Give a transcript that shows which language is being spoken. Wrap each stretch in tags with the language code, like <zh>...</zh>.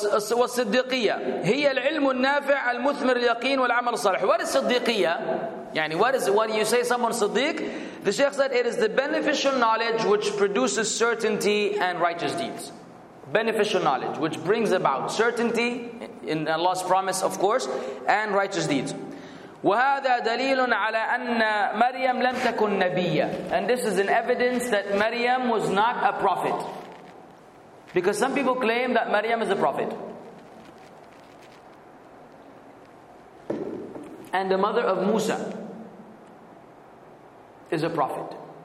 <ar>والصديقية هي العلم النافع المثمر اليقين والعمل الصالح.</ar> <en>What is صديقية? يعني what is, when you say someone صديق, the Shaykh said it is the beneficial knowledge which produces certainty and righteous deeds. Beneficial knowledge which brings about certainty in Allah's promise, of course, and righteous deeds.</en> <ar>وهذا دليل على أن مريم لم تكن نبية.</ar> <en>And this is an evidence that Maryam was not a prophet. Because some people claim that Maryam is a prophet. And the mother of Musa is a prophet.</en>